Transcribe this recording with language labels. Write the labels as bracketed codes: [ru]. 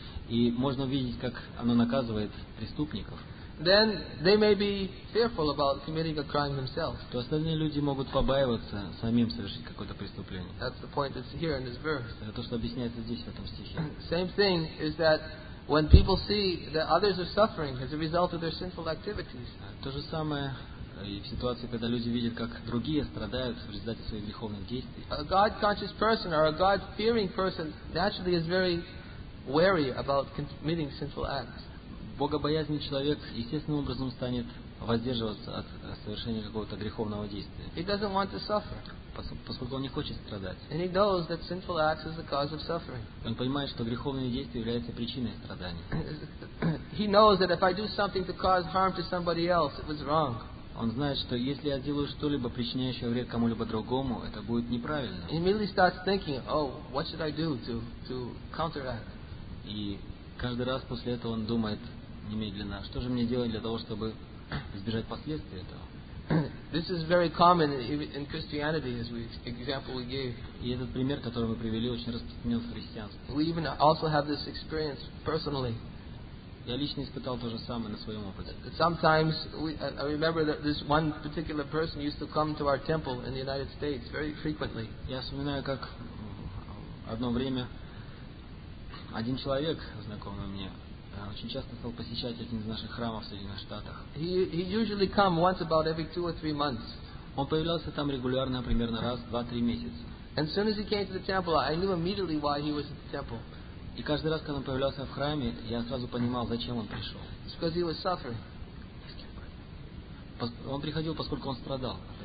[ru] И можно видеть, как оно наказывает преступников. [en] Then they may be fearful about committing a crime themselves. [ru] То остальные люди могут побаиваться самим совершить какое-то преступление. [en] That's the point that's here in this verse. [ru] Это то, что объясняется здесь, в этом стихе. [en] Same thing is that when people see that others are suffering as a result of their sinful activities. [ru] То же самое и в ситуации, когда люди видят, как другие страдают в результате своих греховных действий. [en] A God-conscious person or a God-fearing person naturally is very wary about committing sinful acts. [ru] Богобоязненный человек естественным образом станет воздерживаться от совершения какого-то греховного действия. [en] He doesn't want to suffer. [ru] Поскольку он не хочет страдать. [en] And he knows that sinful acts is the cause of suffering. [ru] Он понимает, что греховные действия являются причиной страдания. [en] He knows that if I do something to cause harm to somebody else, it was wrong. [ru] Он знает, что если я сделаю что-либо, причиняющее вред кому-либо другому, это будет неправильно. [en] He immediately starts thinking, oh, what should I do to counteract? [ru] И каждый раз после этого он думает немедленно, что же мне делать для того, чтобы избежать последствий этого? [en] This is very common in Christianity, as we example we gave. [ru] И этот пример, который мы привели, очень распространен в христианстве. [en] We even also have this experience personally. [ru] Я лично испытал то же самое на своем опыте. [en] Sometimes I remember that this one particular person used to come to our temple in the United States very frequently. [ru] Я вспоминаю, как одно время один человек, знакомый мне, очень часто стал посещать один из наших храмов в Соединенных Штатах. [en] He usually come once about every two or three months. [ru] Он появлялся там регулярно, примерно раз, 2-3 месяца. [en] And as soon as he came to the temple, I knew immediately why he was at the temple. [ru] И каждый раз, когда он появлялся в храме, я сразу понимал, зачем он пришел. [en] It's because he was suffering. [ru] Он приходил, поскольку он страдал.